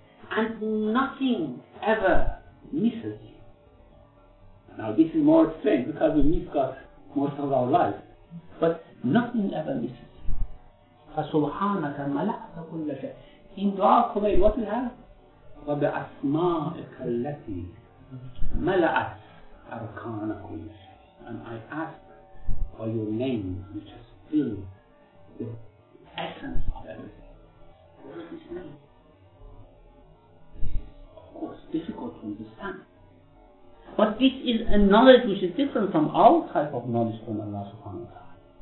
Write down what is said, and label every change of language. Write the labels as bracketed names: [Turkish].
[English] And nothing ever misses you. Now this is more strange because we miss God most of our lives. But nothing ever misses you. [Arabic] فَسُبْحَانَكَ مَلَأْتَ كُلَّ شَيْءٍ [English] In dua kumay, what we have? [Arabic] وَبِأَسْمَائِكَ الَّتِي مَلَأَتْ أَرْكَانَ كُلَّ شَيْءٍ [English] And I ask or your name, you just feel the essence of everything. What does this mean? This is, of course, difficult to understand. But this is a knowledge which is different from our type of knowledge from Allah subhanahu wa ta'ala.